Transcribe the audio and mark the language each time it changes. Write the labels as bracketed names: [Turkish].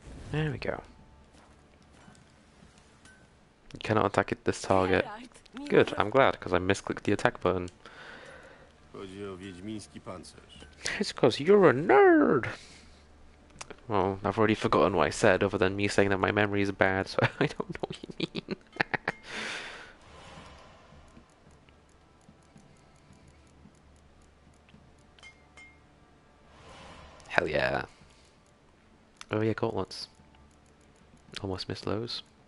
[English] There we go. You cannot attack it, this target. Good, I'm glad, because I misclicked the attack button. [Polish] Chodzi o wiedźmiński pancerz. [English] It's because you're a nerd! Well, I've already forgotten what I said, other than me saying that my memory is bad, so I don't know what you mean. Hell yeah. Oh yeah, gauntlets. Almost missed Lowe's.